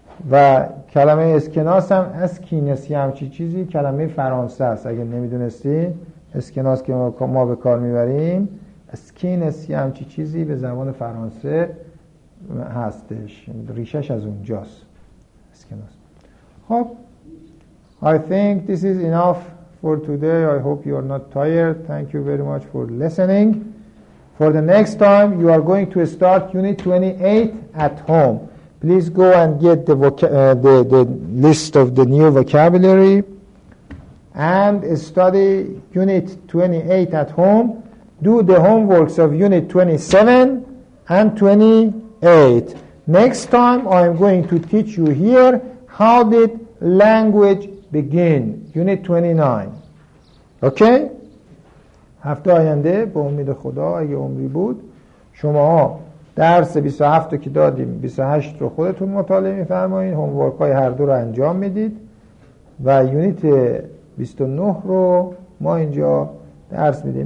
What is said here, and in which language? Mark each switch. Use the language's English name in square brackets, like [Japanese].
[Persian] و کلمه اسکناس هم از کینسی همچی چیزی کلمه فرانسه است. اگه نمیدونستی اسکناس که ما به کار میبریم، اسکینسی همچی چیزی به زبان فرانسه هستش، ریشش از اونجاست اسکناس. [English] خب I think this is enough for today. I hope you are not tired. Thank you very much for listening. For the next time you are going to start unit 28 at home. Please go and get the list of the new vocabulary and study unit 28 at home. Do the homeworks of unit 27 and 28. Next time I'm going to teach you here how did language begin, unit 29. Okay? [Persian] هفته آینده به امید خدا اگه عمری بود شما درس 27 رو که دادیم 28 رو خودتون مطالعه می‌فرمایید، هوم‌ورک‌های هر دو رو انجام میدید و یونیت 29 رو ما اینجا درس میدیم.